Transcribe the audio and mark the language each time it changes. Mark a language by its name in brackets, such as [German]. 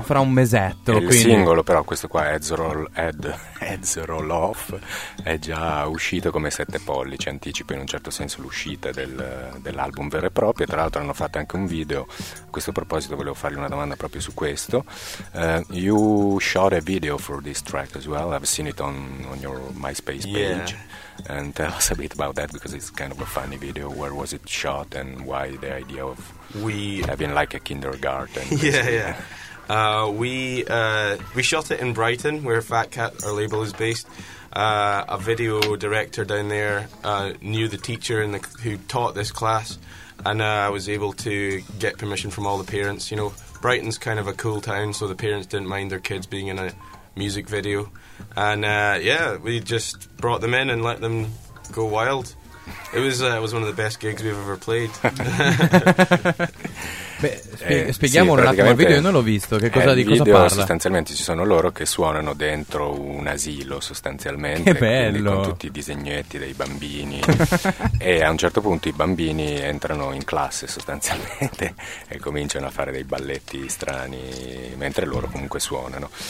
[Italian] Fra un mesetto. Il singolo però, questo qua, Heads Roll Off, è già uscito come 7 pollici. Anticipo in un certo senso l'uscita dell'album vero e proprio. Tra l'altro hanno fatto anche un video. A questo proposito volevo fargli una domanda proprio su questo. [English] You shot a video for this track as well. I've seen it on your MySpace page. Yeah. And tell us a bit about that, because it's kind of a funny video. Where was it shot, and why the idea of having like a kindergarten? Yeah. We shot it in Brighton, where Fat Cat, our label, is based. A video director down there knew the teacher who taught this class, and I was able to get permission from all the parents. You know, Brighton's kind of a cool town, so the parents didn't mind their kids being in a music video. And we just brought them in and let them go wild. It was one of the best gigs we've ever played. [Italian] Spieghiamo un attimo il video, io non l'ho visto, che cosa, di cosa video parla? Sostanzialmente ci sono loro che suonano dentro un asilo, sostanzialmente. Che bello. Con tutti i disegnetti dei bambini. E a un certo punto i bambini entrano in classe sostanzialmente e cominciano a fare dei balletti strani mentre loro comunque suonano.